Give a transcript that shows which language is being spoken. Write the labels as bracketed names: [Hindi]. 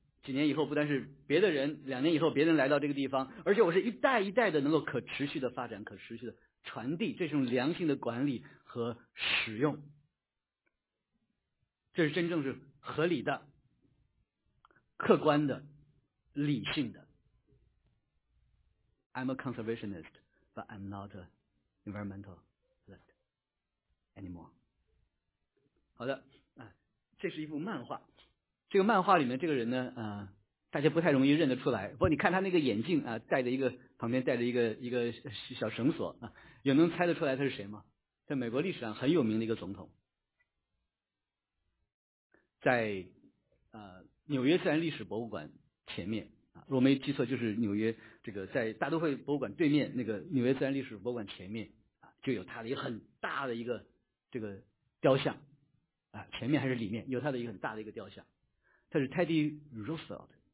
[Chinese] 几年以后不但是别的人，两年以后别人来到这个地方，而且我是一代一代的能够可持续的发展，可持续的传递，这种良性的管理和使用，这是真正是合理的、客观的、理性的。 [English] I'm a conservationist but I'm not an environmentalist anymore。 [Chinese] 好的，这是一部漫画，这个漫画里面这个人呢，大家不太容易认得出来，不过你看他那个眼镜啊，戴着一个，旁边戴着一个小绳索啊，有能猜得出来他是谁吗？在美国历史上很有名的一个总统，在纽约自然历史博物馆前面啊，如果没记错就是纽约这个在大都会博物馆对面那个纽约自然历史博物馆前面啊，就有他的一个很大的一个这个雕像啊，前面还是里面有他的一个很大的一个雕像，他是 Teddy Roosevelt。